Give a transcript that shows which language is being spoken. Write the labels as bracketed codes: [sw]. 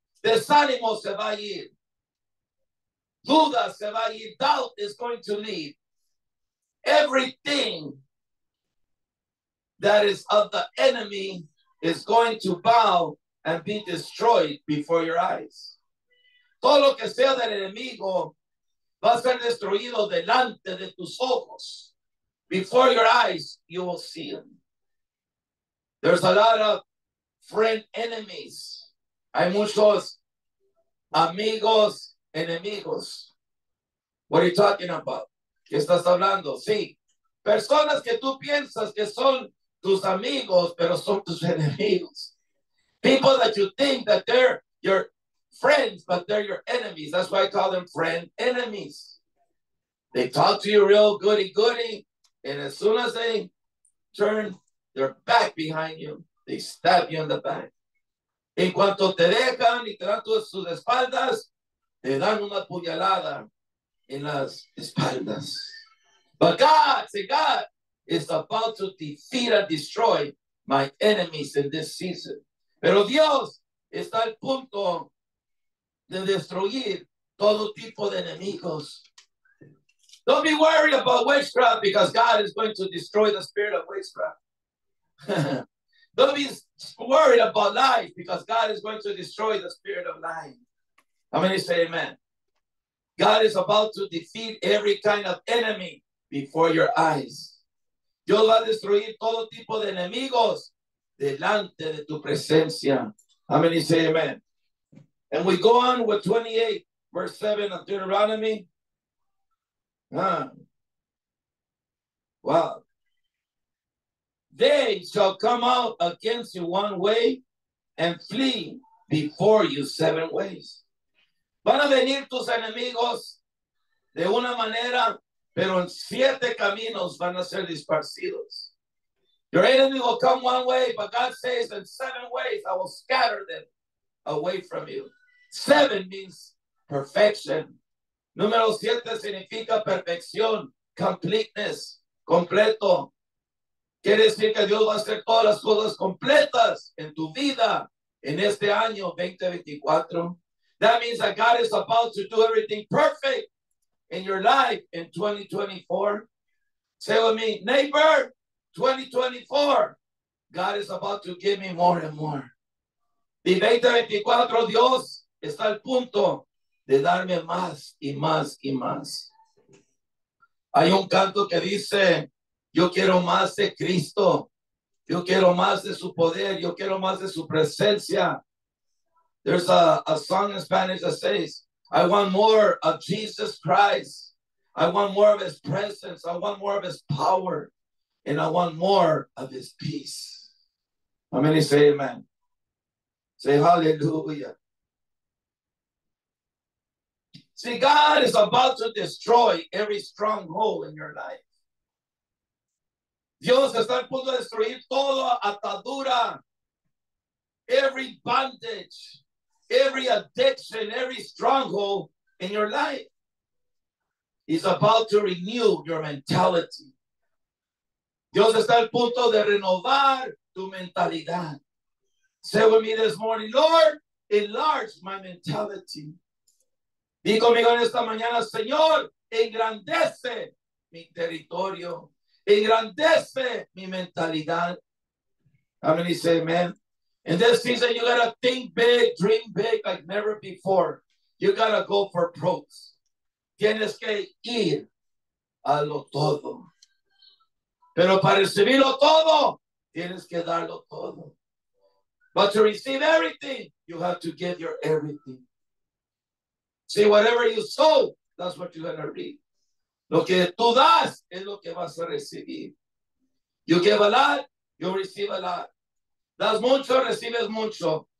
[es] Desánimo se va a ir. Duda se va a ir. [en] Doubt is going to leave. Everything that is of the enemy is going to bow and be destroyed before your eyes. [es] Todo lo que sea del enemigo va a ser destruido delante de tus ojos. [en] Before your eyes, you will see them. There's a lot of friend enemies. [es] Hay muchos amigos enemigos. [en] What are you talking about? [es] ¿Qué estás hablando? Sí. Personas que tú piensas que son tus amigos, pero son tus enemigos. [en] People that you think that they're your friends, but they're your enemies. That's why I call them friend enemies. They talk to you real goody-goody, and as soon as they turn their back behind you, they stab you in the back. [es] En cuanto te dejan y te dan sus espaldas, te dan una puñalada en las espaldas. [en] But God, say God, is about to defeat and destroy my enemies in this season. [es] Pero Dios está al punto de destruir todo tipo de enemigos. [en] Don't be worried about witchcraft because God is going to destroy the spirit of witchcraft. Don't be worried about lies because God is going to destroy the spirit of lying. How many say amen? God is about to defeat every kind of enemy before your eyes. [es] Dios va a destruir todo tipo de enemigos delante de tu presencia. [en] How many say amen? And we go on with 28, verse 7 of Deuteronomy. Wow. They shall come out against you one way and flee before you seven ways. [es] Van a venir tus enemigos de una manera, pero en siete caminos van a ser disparcidos. [en] Your enemy will come one way, but God says in seven ways I will scatter them away from you. Seven means perfection. [es] Número siete significa perfección, [en] completeness, [es] completo. Quiere decir que Dios va a hacer todas las cosas completas en tu vida en este año 2024. [en] That means that God is about to do everything perfect in your life in 2024. Say with me, neighbor, 2024, God is about to give me more and more. [es] Y 2024, Dios está al punto de darme más y más y más. Hay un canto que dice, yo quiero más de Cristo. Yo quiero más de su poder. Yo quiero más de su presencia. [en] There's a song in Spanish that says, I want more of Jesus Christ. I want more of his presence. I want more of his power. And I want more of his peace. How many say amen? Say hallelujah. See, God is about to destroy every stronghold in your life. [es] Dios está a punto de destruir toda atadura, [en] every bondage, every addiction, every stronghold in your life. He's about to renew your mentality. [es] Dios está a punto de renovar tu mentalidad. [en] Say with me this morning, Lord, enlarge my mentality. [es] Di conmigo en esta mañana, Señor, engrandece mi territorio. Engrandece mi mentalidad. [en] How many say amen? In this season, you gotta think big, dream big like never before. You gotta go for broke. [es] Tienes que ir a lo todo. Pero para recibirlo todo, tienes que darlo todo. [en] But to receive everything, you have to give your everything. See, whatever you sow, that's what you're gonna reap. [es] Lo que tú das es lo que vas a recibir. [en] You give a lot, you receive a lot. [es] Das mucho, recibes mucho.